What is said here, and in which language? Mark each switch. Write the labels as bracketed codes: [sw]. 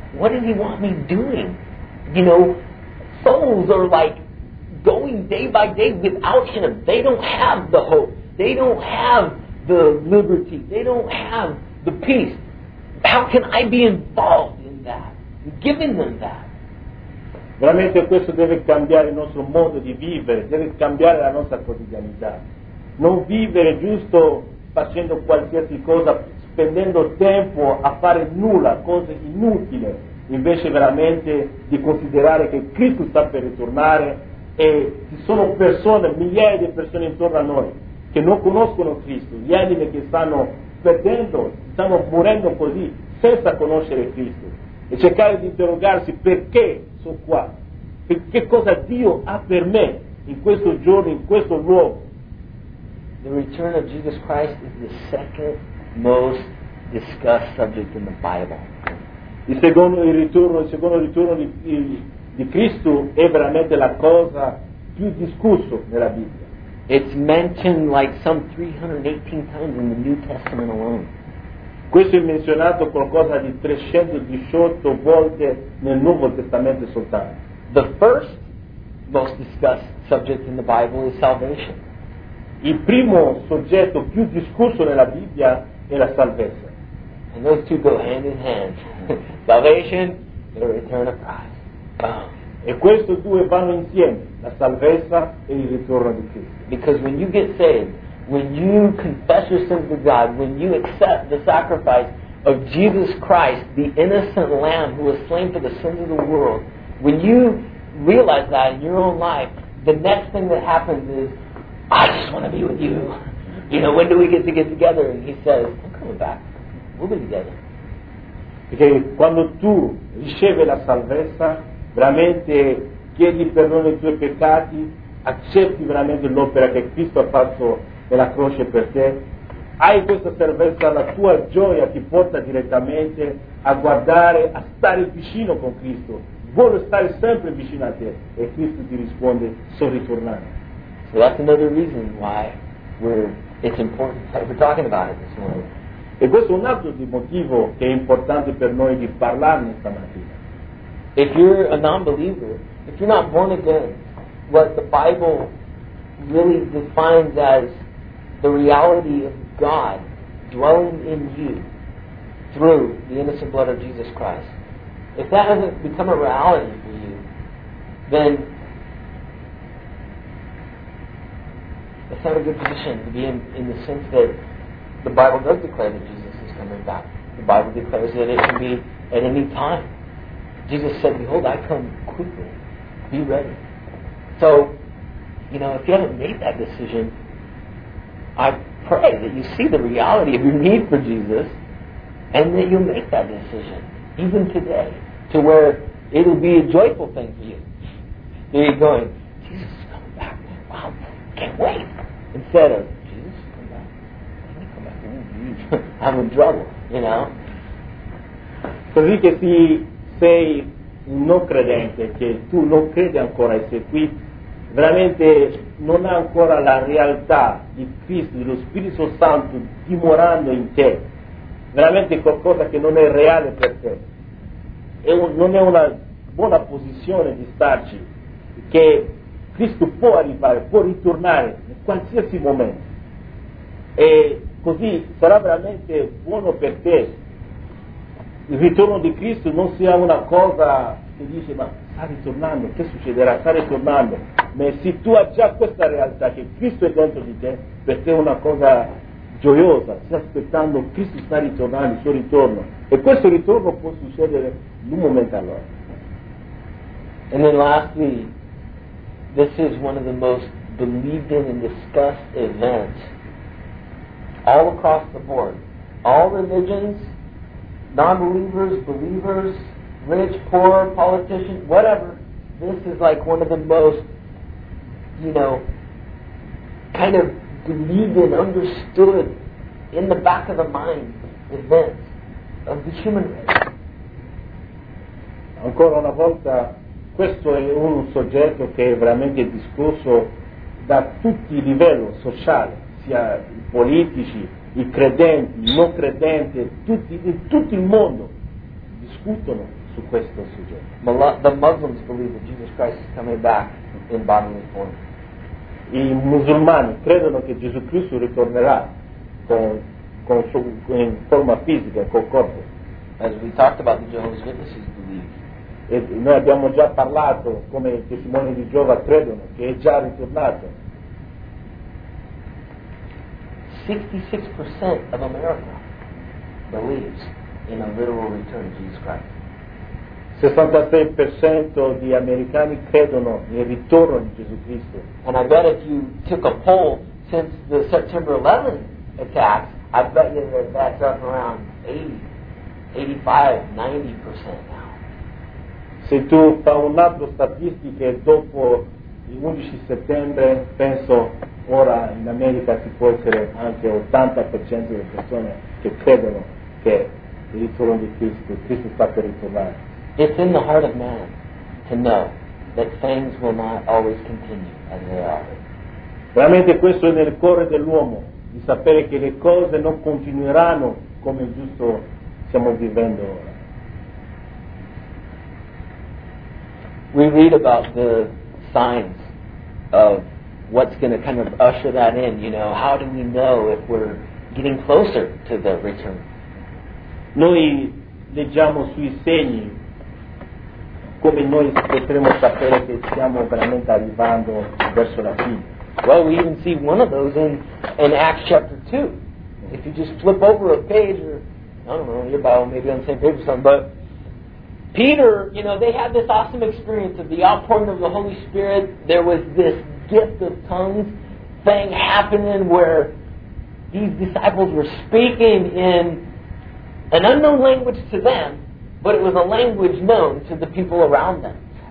[en] What does He want me doing? You know, souls are like going day by day without Him. They don't have the hope. They don't have the liberty. They don't have the peace. How can I be involved in that? Giving them that. [it] Veramente questo deve cambiare il nostro modo di vivere, deve cambiare la nostra quotidianità. Non vivere giusto facendo qualsiasi cosa, spendendo tempo a fare nulla, cose inutili, invece veramente di considerare che Cristo sta per ritornare e ci sono persone, migliaia di persone intorno a noi che non conoscono Cristo, gli anime che stanno perdendo, stanno morendo così, senza conoscere Cristo. E cercare di interrogarsi perché sono qua, che cosa Dio ha per me in questo giorno, in questo luogo. [en] The return of Jesus Christ is the second most discussed subject in the Bible. [it] Il secondo ritorno di Cristo è veramente la cosa più discussa nella Bibbia. [en] It's mentioned like some 318 times in the New Testament alone. [it] Questo è menzionato qualcosa di 318 volte nel Nuovo Testamento soltanto. [en] The first most discussed subject in the Bible is salvation. [it] Il primo soggetto più discusso nella Bibbia è la salvezza. [en] And those two go hand in hand. Salvation, the return of Christ. [it] E questi due vanno insieme, la salvezza e il ritorno di Cristo. [en] Because when you get saved, when you confess your sins to God, when you accept the sacrifice of Jesus Christ, the innocent Lamb who was slain for the sins of the world, when you realize that in your own life, the next thing that happens is, I just want to be with you. You know, when do we get to get together? And he says, I'm coming back. We'll be together. [it] Perché quando tu ricevi la salvezza, veramente chiedi perdono dei tuoi peccati, accetti veramente l'opera che Cristo ha fatto nella croce per te, hai questa salvezza, la tua gioia ti porta direttamente a guardare, a stare vicino con Cristo. Vuole stare sempre vicino a te. E Cristo ti risponde, sono ritornato. [en] So that's another reason why it's important that we're talking about it this morning. [it] E questo è un altro di motivo che è importante per noi di parlarne stamattina. [en] If you're a non-believer, if you're not born again, what the Bible really defines as the reality of God dwelling in you through the innocent blood of Jesus Christ, if that hasn't become a reality for you, then it's not a good position to be in the sense that the Bible does declare that Jesus is coming back. The Bible declares that it can be at any time. Jesus said, behold, I come quickly. Be ready. So, you know, if you haven't made that decision, I pray that you see the reality of your need for Jesus and that you'll make that decision, even today, to where it'll be a joyful thing for you. There you're going, Jesus is coming back. Wow, can't wait. Instead of, Jesus, come back. I'm in trouble, you know. [it] Così che se sei un non credente, che tu non credi ancora e sei qui, veramente non ha ancora la realtà di Cristo, dello Spirito Santo dimorando in te, veramente qualcosa che non è reale per te, non è una buona posizione di starci, che Cristo può arrivare, può ritornare in qualsiasi momento, e così sarà veramente buono per te. Il ritorno di Cristo non sia una cosa che dice, ma sta ritornando, che succederà, sta ritornando. Ma se tu hai già questa realtà che Cristo è dentro di te, per te è una cosa gioiosa, stai aspettando Cristo sta ritornando, il suo ritorno. E questo ritorno può succedere in un momento all'altro. [en] And then lastly, this is one of the most believed in and discussed events all across the board. All religions, non-believers, believers, rich, poor, politicians, whatever, this is like one of the most, you know, kind of believed in, understood, in the back of the mind, events of the human race. [it] Ancora una volta, questo è un soggetto che è veramente discusso da tutti i livelli sociali, sia i politici, i credenti, i non credenti, tutto il mondo discutono su questo soggetto. [en] The Muslims believe that Jesus Christ is coming back in bodily form. [it] I musulmani credono che Gesù Cristo ritornerà in forma fisica, col corpo. [en] As we talked about the Jehovah's Witnesses believe. [it] E noi abbiamo già parlato come i testimoni di Geova credono che è già ritornato. [en] 66% of America believes in a literal return of Jesus Christ. [it] 66% di americani credono nel ritorno di Gesù Cristo. [en] And I bet if you took a poll since the September 11 attacks, I bet you that that's up around 80, 85, 90% now. [it] Se tu fai un altro statistiche dopo il 11 settembre, penso ora in America ci può essere anche 80% delle persone che credono che il ritorno di Cristo, Cristo sta per ritornare. [en] It's in the heart of man to know that things will not always continue as they are. [it] Veramente questo è nel cuore dell'uomo, di sapere che le cose non continueranno come giusto stiamo vivendo ora. [en] We read about the signs of what's going to kind of usher that in, you know, how do we know if we're getting closer to the return? [it] Noi leggiamo sui segni come noi potremo sapere che stiamo veramente arrivando verso la fine. [en] Well, we even see one of those in Acts chapter 2. If you just flip over a page, or I don't know, your Bible may be on the same page or something, but Peter, you know, they had this awesome experience of the outpouring of the Holy Spirit. There was this gift of tongues thing happening where these disciples were speaking in an unknown language to them, but it was a language known to the people around them.